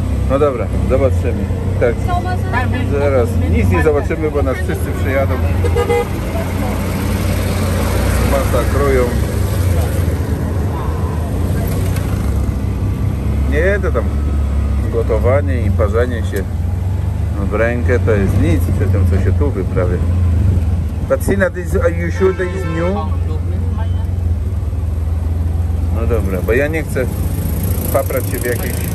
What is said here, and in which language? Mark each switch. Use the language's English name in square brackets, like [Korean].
[Polish] No dobra, zobaczymy. Tak, zaraz. Nic nie zobaczymy, bo nas wszyscy przyjadą. Masakrują. Nie, to tam gotowanie i parzenie się w rękę to jest nic przy tym, co się tu wyprawia. Patrzcie, [English] are you sure this is new? [Polish] No dobra, bo ja nie chcę paprać się w jakiejś...